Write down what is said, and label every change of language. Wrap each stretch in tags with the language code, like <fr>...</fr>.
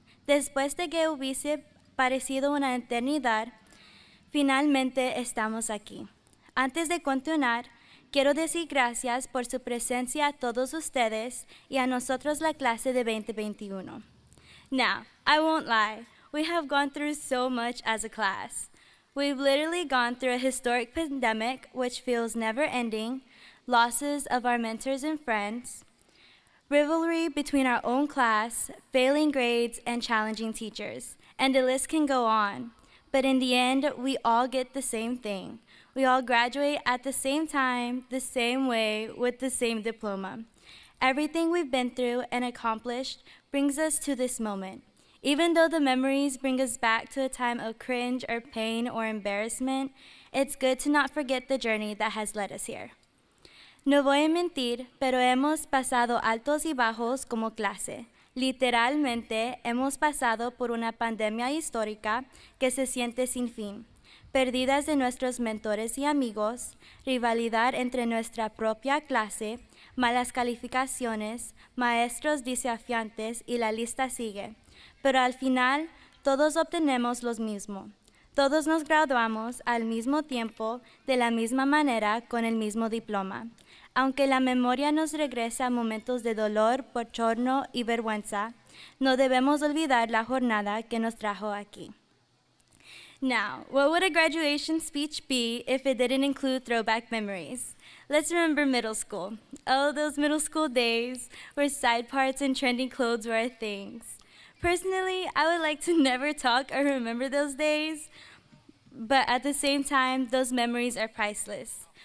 <es>Después de que hubiese parecido una eternidad, finalmente estamos aquí. Antes de continuar, quiero decir gracias por su presencia a todos ustedes y a nosotros la clase de 2021.</es> <en>Now, I won't lie, we have gone through so much as a class. We've literally gone through a historic pandemic, which feels never-ending, losses of our mentors and friends, rivalry between our own class, failing grades, and challenging teachers. And the list can go on. But in the end, we all get the same thing. We all graduate at the same time, the same way, with the same diploma. Everything we've been through and accomplished brings us to this moment. Even though the memories bring us back to a time of cringe or pain or embarrassment, it's good to not forget the journey that has led us here.</en> <es>No voy a mentir, pero hemos pasado altos y bajos como clase. Literalmente, hemos pasado por una pandemia histórica que se siente sin fin. Pérdidas de nuestros mentores y amigos, rivalidad entre nuestra propia clase, malas calificaciones, maestros desafiantes y la lista sigue. Pero al final, todos obtenemos lo mismo. Todos nos graduamos al mismo tiempo, de la misma manera, con el mismo diploma. Aunque la memoria nos regrese a momentos de dolor, bochorno y vergüenza, no debemos olvidar la jornada que nos trajo aquí.</es> <en>Now, what would a graduation speech be if it didn't include throwback memories? Let's remember middle school. Oh, those middle school days where side parts and trendy clothes were our things. Personally, I would like to never talk or remember those days, but at the same time, those memories are priceless.</en>